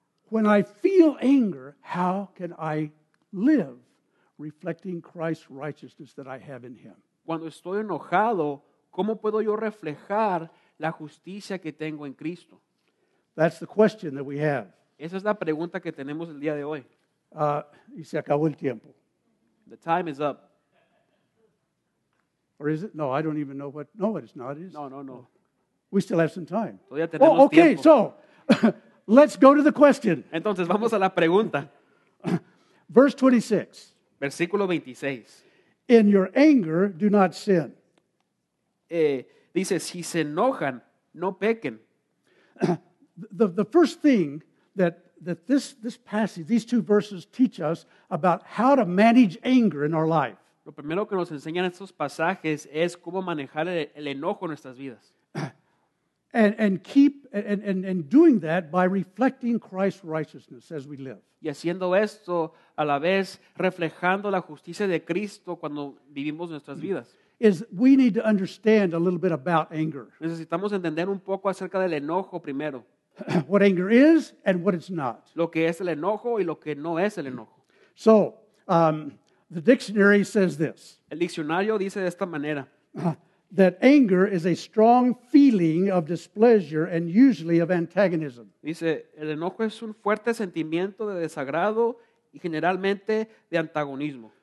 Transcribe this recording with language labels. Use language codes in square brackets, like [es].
[en] when I feel anger, how can I live reflecting Christ's righteousness that I have in Him? [es] Cuando estoy enojado, ¿cómo puedo yo reflejar la justicia que tengo en Cristo? [en] That's the question that we have. [es] Esa es la pregunta que tenemos el día de hoy. Y se acabó el tiempo. [en] The time is up. Or is it? No, I don't even know what. No, it's not. It is. No. We still have some time. [es] Todavía tenemos tiempo. [en] Oh, okay, [es] tiempo. [en] So... Let's go to the question. [es] Entonces, vamos a la pregunta. [en] Verse 26. [es] Versículo 26. [en] In your anger, do not sin. [es] Dice, si se enojan, no pequen. [en] The first thing that this passage, these two verses teach us about how to manage anger in our life. [es] Lo primero que nos enseñan estos pasajes es cómo manejar el enojo en nuestras vidas. [en] And doing that by reflecting Christ's righteousness as we live. [es] Y haciendo esto a la vez reflejando la justicia de Cristo cuando vivimos nuestras vidas. [en] Is we need to understand a little bit about anger. [es] Necesitamos entender un poco acerca del enojo primero. [en] What anger is and what it's not. [es] Lo que es el enojo y lo que no es el enojo. [en] So, the dictionary says this. [es] El diccionario dice de esta manera. [en] That anger is a strong feeling of displeasure and usually of antagonism. [es] Dice, el enojo es un fuerte sentimiento de desagrado y generalmente de antagonismo.